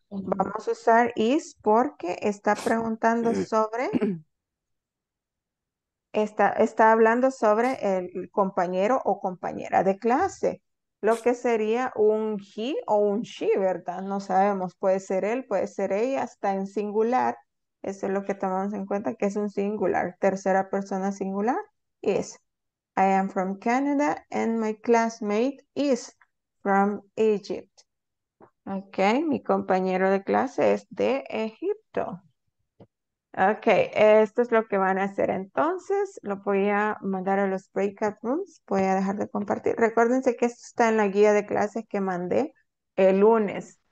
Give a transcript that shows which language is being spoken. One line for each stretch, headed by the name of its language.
Spanish: Vamos a usar is porque está preguntando sobre, está hablando sobre el compañero o compañera de clase, lo que sería un he o un she, ¿verdad? No sabemos, puede ser él, puede ser ella, está en singular. Eso es lo que tomamos en cuenta, que es un singular, tercera persona singular, is.
English: I am from Canada and my classmate is from Egypt.
Spanish: Ok, mi compañero de clase es de Egipto. Ok, esto es lo que van a hacer entonces. Lo voy a mandar a los breakout rooms. Voy a dejar de compartir. Recuérdense que esto está en la guía de clases que mandé el lunes.